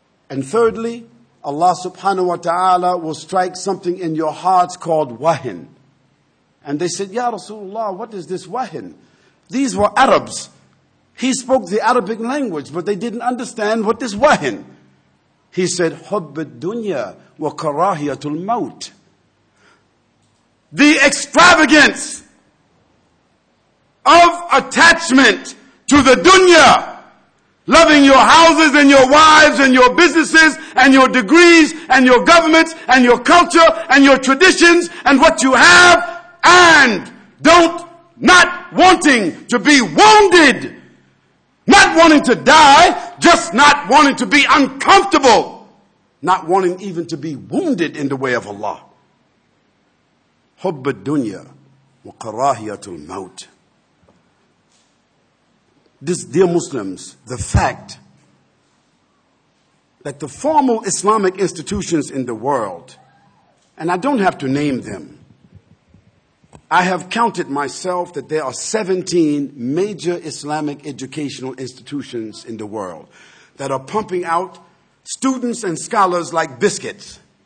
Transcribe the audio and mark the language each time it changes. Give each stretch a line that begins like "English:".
English: And thirdly, Allah subhanahu wa ta'ala will strike something in your hearts called wahin. And they said, Ya Rasulullah, what is this wahin? These were Arabs. He spoke the Arabic language, but they didn't understand what this wahin. He said,
Arabic: حب الدنيا وكراهية الموت.
English: The extravagance of attachment to the dunya, loving your houses and your wives and your businesses and your degrees and your governments and your culture and your traditions and what you have, and not wanting to be wounded, not wanting to die, just not wanting to be uncomfortable, not wanting even to be wounded in the way of Allah.
Arabic: حب الدنيا وقراهية الموت.
English: This, dear Muslims, the fact that the formal Islamic institutions in the world, and I don't have to name them, I have counted myself that there are 17 major Islamic educational institutions in the world that are pumping out students and scholars like biscuits.